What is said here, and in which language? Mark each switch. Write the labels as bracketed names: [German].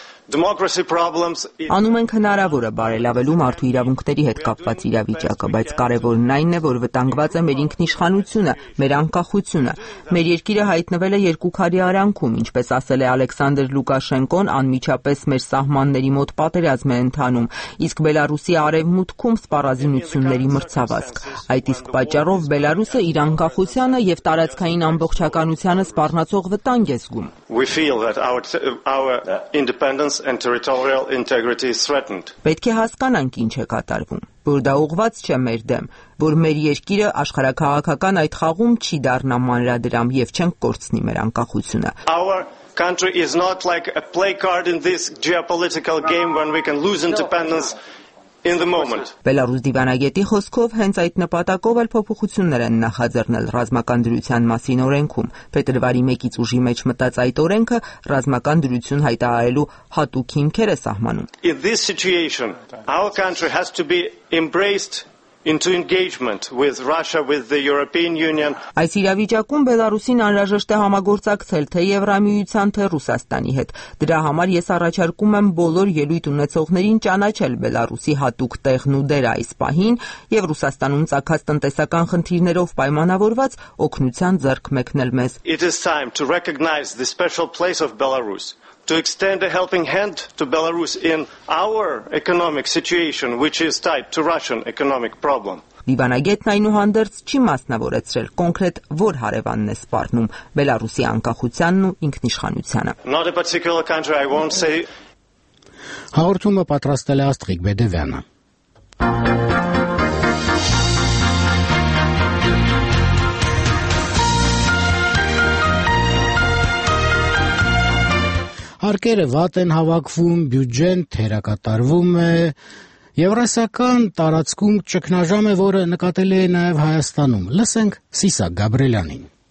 [Armenian] Անում ենք հնարավորը բարելավելու մարդու իրավունքների հետ կապված իրավիճակը, բայց կարևորն այն է, որ վտանգված է մեր ինքնիշխանությունը, մեր անկախությունը։ Մեր երկիրը հայտնվել է երկու քարի արանքում, ինչպես ասել է Ալեքսանդր Լուկաշենկոն, անմիջապես մեր սահմանների մոտ պատերազմ է ընթանում, իսկ Բելարուսի արևմուտքում սպառազինությունների մրցավազք։ Այդ իսկ պատճառով Բելարուսը իր անկախությանը և տարածքային ամբողջականությանը սպառնացող վտանգ է զգում։ [English] We feel that our independence and territorial integrity is threatened. [Armenian] Պետք է հասկանանք, ինչ է կատարվում, որ դա ուղված չէ մեր դեմ, որ մեր երկիրը աշխարհակաղակական այդ խաղում չի դառնա մանրադրամ և չենք կորցնի մեր անկախությունը։ [English] Country is not like a play card in this geopolitical game when we can lose independence in the moment. [Armenian] Բելարուս դիվանագետի խոսքով հենց այդ նպատակով էլ փոփոխություններ են նախաձեռնել ռազմական դրության մասին օրենքում։ Փետրվարի 1-ից ուժի մեջ մտած այդ օրենքը ռազմական դրություն հայտարարելու հատուկ հիմքեր է սահմանում։ [English] In this situation, our country has to be embraced into engagement with Russia, with the European Union. [Armenian] Այս իրավիճակում Բելարուսին անհրաժեշտ է համագործակցել թե Եվրամիության, թե Ռուսաստանի հետ։ Դրա համար ես առաջարկում եմ բոլոր ելույթ ունեցողներին ճանաչել Բելարուսի հատուկ տեղն ու դերը այս պահին և Ռուսաստանում ծագած տնտեսական խնդիրներով պայմանավորված օգնության ձեռք մեկնել մեզ։ [English] It is time to recognize the special place of Belarus. To extend a helping hand to Belarus in our economic situation, which is tied to Russian economic problem. [Armenian] Լիբանագետն այնուհանդերձ չի մասնավորեցրել կոնկրետ որ հարևանն է սպառնում Բելարուսի անկախությանն ու ինքնիշխանությանը. [English] Not a particular country, I won't say. [Armenian] Հաղորդումը պատրաստել է Աստղիկ Բեդևյանը։ Հարկերը վատ են հավաքվում, բյուջեն թերակատարվում է, եվրասիական տարածքում ճգնաժամ է, որը նկատելի է նաև Հայաստանում։ Լսենք Սիսակ Գաբրելյանին։